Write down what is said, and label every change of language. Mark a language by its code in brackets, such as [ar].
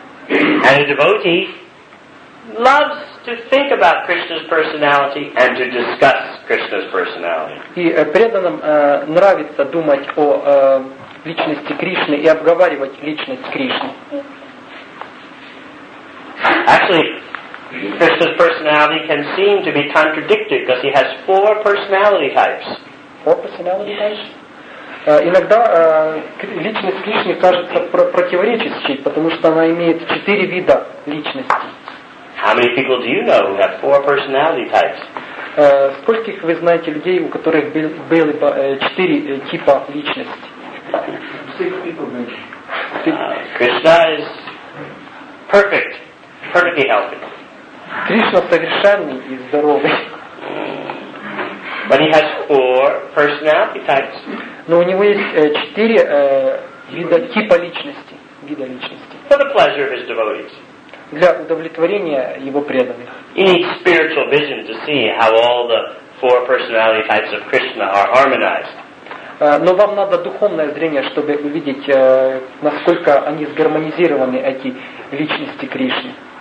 [en] And a devotee loves to think about Krishna's personality and to discuss Krishna's personality. [ru] И преданным нравится думать о личности Кришны и обговаривать личность Кришны. [en] Actually, Krishna's personality can seem to be contradicted because he has four personality types. Four personality types? [ru] Иногда личность Кришны кажется противоречащей, потому что она имеет четыре вида личности. [en] How many people do you know who have four personality types? [ru] Скольких вы знаете людей, у которых были четыре типа личности? [en] Krishna is perfect, perfectly healthy. [ru] Кришна совершенный и здоровый. [en] But he has four personality types. [ru] Но у него есть четыре вида личности. [en] For the pleasure of his devotees. [ru] Для удовлетворения его преданных. [en] He needs spiritual vision to see how all the four personality types of Krishna are harmonized. [ru] Но вам надо духовное зрение, чтобы увидеть, насколько они сгармонизированы, эти личности Кришны.